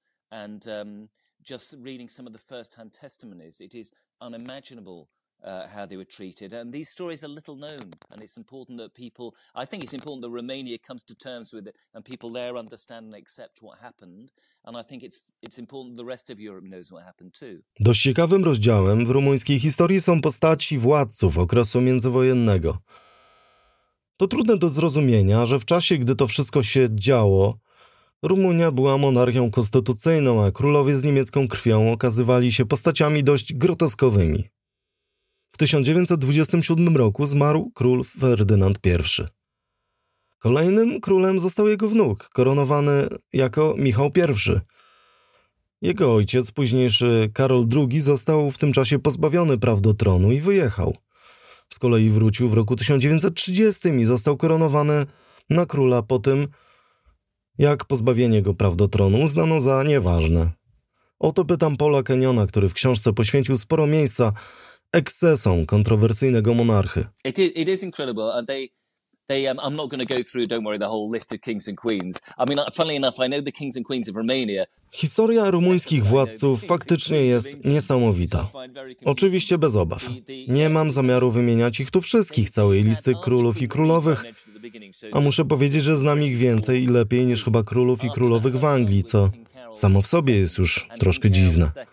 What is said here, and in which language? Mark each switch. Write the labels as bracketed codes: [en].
[en] And just reading some of the first-hand testimonies, it is unimaginable how they were treated. And these stories are little known, and it's important that people... I think it's important that Romania comes to terms with it and people there understand and accept what happened. And I think it's important the rest of Europe knows what happened too. [pl] Dość ciekawym rozdziałem w rumuńskiej historii są postaci władców okresu międzywojennego. To trudne do zrozumienia, że w czasie, gdy to wszystko się działo, Rumunia była monarchią konstytucyjną, a królowie z niemiecką krwią okazywali się postaciami dość groteskowymi. W 1927 roku zmarł król Ferdynand I. Kolejnym królem został jego wnuk, koronowany jako Michał I. Jego ojciec, późniejszy Karol II, został w tym czasie pozbawiony praw do tronu i wyjechał. Z kolei wrócił w roku 1930 i został koronowany na króla po tym, jak pozbawienie go praw do tronu uznano za nieważne. Oto pytam Paula Kenyona, który w książce poświęcił sporo miejsca ekscesom kontrowersyjnego monarchy. [en] It is incredible, and they I'm not going to go through, don't worry, the whole list of kings and queens. I mean, funnily enough, I know the kings and queens of Romania. [pl] Historia rumuńskich władców faktycznie jest niesamowita. Oczywiście bez obaw. Nie mam zamiaru wymieniać ich tu wszystkich, całej listy królów i królowych, a muszę powiedzieć, że znam ich więcej i lepiej niż chyba królów i królowych w Anglii, co samo w sobie jest już troszkę dziwne.